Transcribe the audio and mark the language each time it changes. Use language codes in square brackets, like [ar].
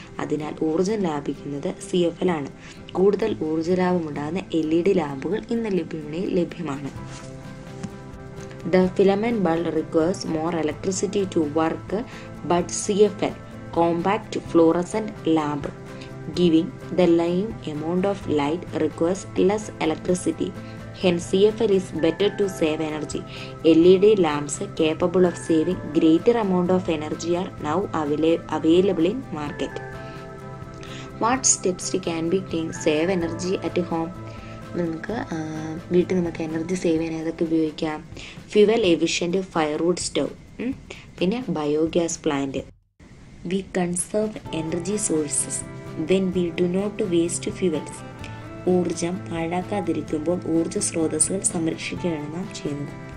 [ml] അതിനാൽ ഊർജം ലാഭിക്കുന്നത് CFL ആണ്. കൂടുതൽ ഊർജ ലാഭമുണ്ടാകുന്ന LED ലാമ്പുകൾ ഇന്ന് ലഭ്യമായി ലഭ്യമാണ്. [en] The filament bulb requires more electricity to work but CFL compact fluorescent lamp giving the lime amount of light requires less electricity. Hence, CFL is better to save energy. LED lamps capable of saving greater amount of energy are now available in market. What steps can be taken to save energy at home? [ml] നമുക്ക് energy save ചെയ്യാൻ ഏതൊക്കെ ഉപയോഗിക്കാം? [en] Fuel efficient firewood stove, പിന്നെ biogas plant. We conserve energy sources when we do not waste fuels. [ml] ഊർജം പാഴാക്കാതിരിക്കുമ്പോൾ ഊർജ സ്രോതസ്സുകൾ സംരക്ഷിക്കുകയാണ് നാം ചെയ്യുന്നത്.